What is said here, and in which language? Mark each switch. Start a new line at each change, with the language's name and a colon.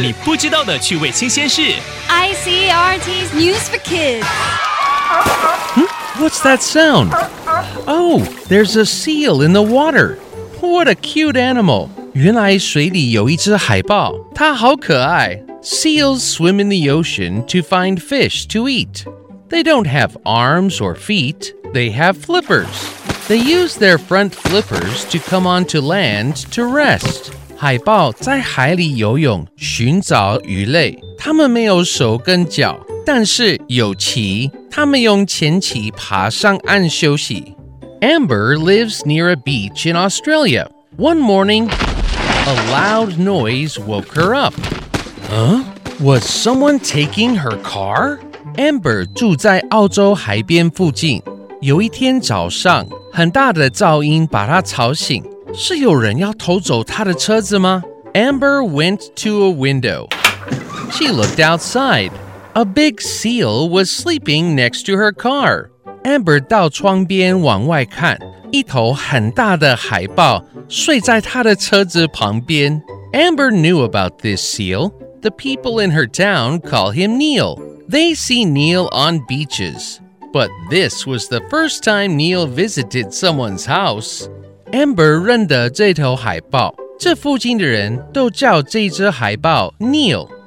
Chinese: 你不知道的趣味新鲜事
English: ICRT's News for Kids! What's that sound? Oh, there's a seal in the water! What a cute animal!
Chinese: 原来水里有一只海豹，它好可爱。
English: Seals swim in the ocean to find fish to eat. They don't have arms or feet, they have flippers. They use their front flippers to come onto land to rest.
Chinese: 海豹在海里游泳寻找鱼类，它们没有手跟脚，但是有鳍，它们用前鳍爬上岸休息。
English: Amber lives near a beach in Australia. One morning, a loud noise woke her up. Huh? Was someone taking her car? Amber
Chinese: 住在澳洲海边附近。有一天早上，很大的噪音把她吵醒。是有人要偷走她的车子吗？
English: Amber went to a window. She looked outside. A big seal was sleeping next to her car.
Chinese: Amber 到窗边往外看，一头很大的海豹睡在她的车子旁边。
English: Amber knew about this seal. The people in her town call him Neil. They see Neil on beaches. But this was the first time Neil visited someone's house.
Chinese: Amber 认得这头海豹，这附近的人都叫这只海豹 Neil.